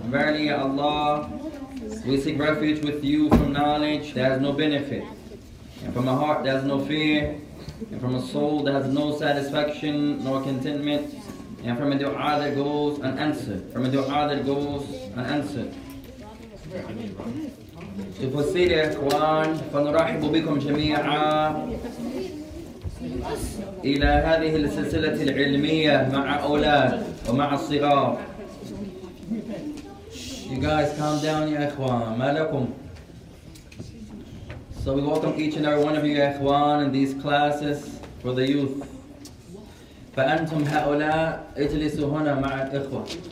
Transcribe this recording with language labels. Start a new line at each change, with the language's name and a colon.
English: Verily, ya Allah, we seek refuge with you from knowledge that has no benefit, and from a heart that has no fear, and from a soul that has no satisfaction nor contentment, and from a du'a that goes unanswered, from a du'a that goes unanswered. To proceed, ya ikhwan,
Arabic: فَنُرَحِبُ بِكُمْ جَمِيعًا إلى هذه السلسلة العلمية مع أولاد ومع الصغار.
English: You guys, calm down, ya ikhwan.
Arabic: مَا لَكُمْ.
English: So we welcome each and every one of you, ya ikhwan, in these classes for the youth.
Arabic: فَأَنْتُمْ هَؤُلَاء اجلسوا هنا مع الإخوة.